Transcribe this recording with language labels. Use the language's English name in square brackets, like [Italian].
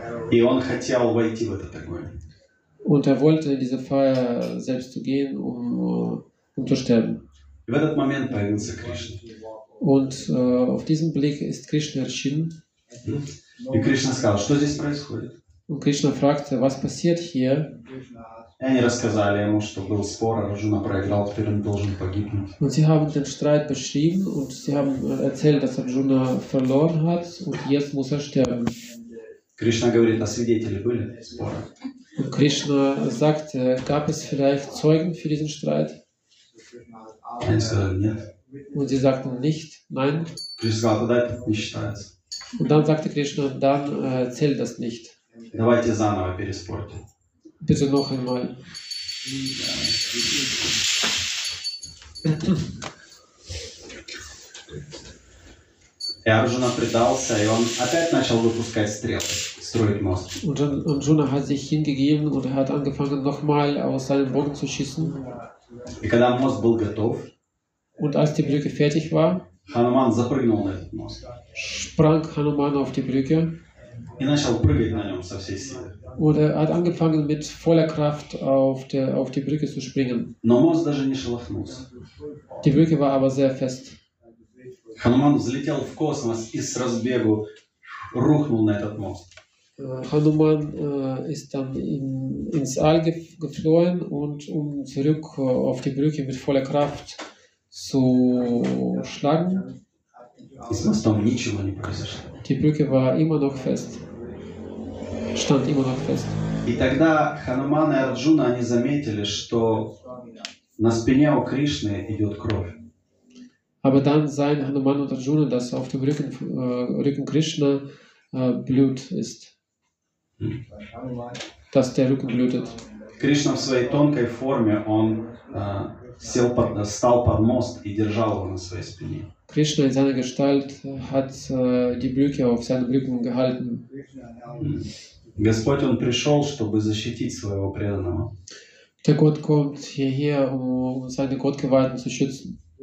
[Russian] И он хотел войти в этот огонь. [German] Und wollte in diese Feuer selbst zu gehen, um zu sterben. [Russian] И в этот момент появился Кришна. [German] Und auf diesem Blick ist Krishna erschienen. [Russian] И Кришна сказал, что здесь происходит? [German] Und Krishna fragte, was passiert hier? [Russian] И они рассказали ему, что был спор, Арджуна проиграл, теперь он должен погибнуть. [German] Und sie haben den Streit beschrieben und sie haben erzählt, dass Arjuna verloren hat und jetzt muss sterben. [Russian] Кришна говорит, а свидетели были спора? [German] Und Krishna sagte, gab es vielleicht Zeugen für diesen Streit? [Russian] Они сказали, нет. [German] Und sie sagten nicht, nein. [Russian] Кришна сказал, тогда это не считается. [German] Und dann sagte Krishna, dann zählt das nicht. [Russian] Давайте заново переспорьте. [German] Bitte noch einmal. [Russian] И Арджуна предался, и он опять начал выпускать стрелы, строить мост. [German] Arjuna hat sich hingegeben und hat angefangen nochmal aus seinem Bogen zu schießen. [Russian] И когда мост был готов, [German] und als die Brücke fertig war, [Russian] Хануман запрыгнул на этот мост. [German] Sprang Hanuman auf die Brücke. [Russian] И начал прыгать на нем со всей силы. [German] Und hat angefangen mit voller Kraft auf die Brücke zu springen. [Russian] Но мост даже не шелохнулся. [German] Die Brücke war aber sehr fest. [Russian] Хануман взлетел в космос и с разбегу рухнул на этот мост. [German] Hanuman ist dann ins All geflohen und zurück auf die Brücke mit voller Kraft zu schlagen. [Russian] И с мостом ничего не произошло. [German] Die Brücke war immer noch fest. Stand immer noch fest. [Russian] И тогда Хануман и Арджуна они заметили, что на спине у Кришны идет кровь. [German] Aber dann sahen Hanuman und Arjuna, dass auf dem Rücken, Rücken Krishna Blut ist. Dass der Rücken blutet. [Russian] Krishna в своей тонкой форме он сел под, стал под мост и держал его на своей спине. [German] Krishna in seiner Gestalt hat die Brücke auf seinem Rücken gehalten. [Russian] Господь, он пришел, чтобы защитить своего преданного. [German] Der Gott kommt hierher, um seine Gottgeweihten zu schützen.